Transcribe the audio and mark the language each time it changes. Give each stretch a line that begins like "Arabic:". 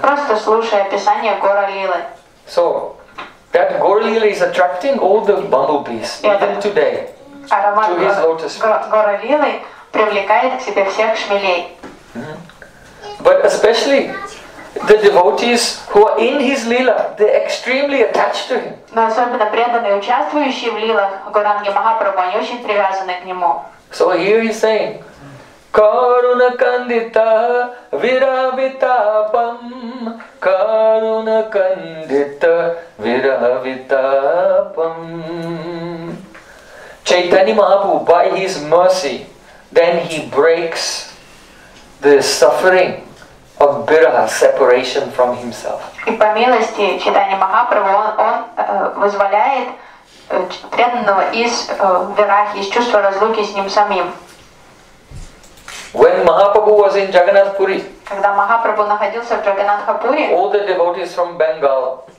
Russian: Просто слушая описание Гора Лилы.
English: So that Gaura Lila is attracting all the bumblebees even today to his lotus feet.
Russian: Гора Лилы привлекает к себе всех шмелей.
English: But especially the devotees who are in his lila, they're extremely attached to him.
Russian: Особенно преданные, участвующие в лилах Гуранги Махапрабху, они очень привязаны к нему.
English: So here he's saying,
Sanskrit: Karuna kandita viravitapam, Karuna kandita viravitapam.
English: Chaitanya Mahaprabhu, by his mercy, then he breaks the suffering of biraha, separation from himself.
Russian: И по милости Чайтанья Махапрабху он вызволяет преданного из вирахи, из чувства разлуки с ним самим.
English: When Mahaprabhu was in Jagannath Puri,
Russian: когда Махапрабху находился в Джаганатхапури,
English: all the devotees from Bengal,